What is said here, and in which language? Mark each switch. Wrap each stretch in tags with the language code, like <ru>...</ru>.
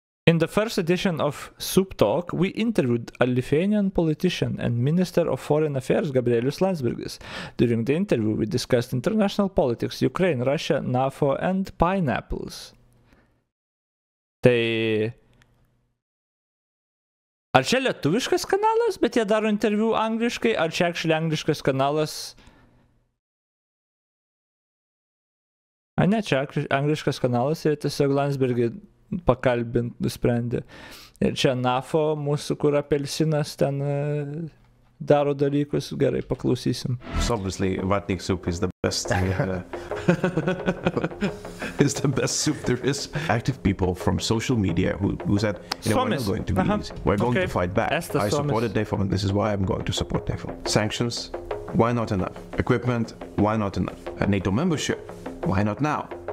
<en>In the first edition of Soup Talk, we interviewed a Lithuanian politician and Minister of Foreign Affairs, Gabrielius Landsbergis. During the interview, we discussed international politics, Ukraine, Russia, NAFO and pineapples.</en> <lt>Tai... Ar čia lietuviškas kanalas, bet jie daro interviu angliškai, ar čia actually angliškas kanalas... A ne, čia angliškas kanalas ir tiesiog Landsbergį pakalbint nusprendė. Ir čia NAFO, mūsų kur apelsinas, ten daro dalykus, gerai, paklausysim.</lt> <en>Obviously, vatnik soup is the best. It's the best soup there is. Active people from social media who said, you know, we're not going to be easy. We're going to fight back. I supported NAFO and this is why I'm going to support NAFO. Sanctions? Why not enough? Equipment? Why not enough? A NATO membership? Why not now?</en>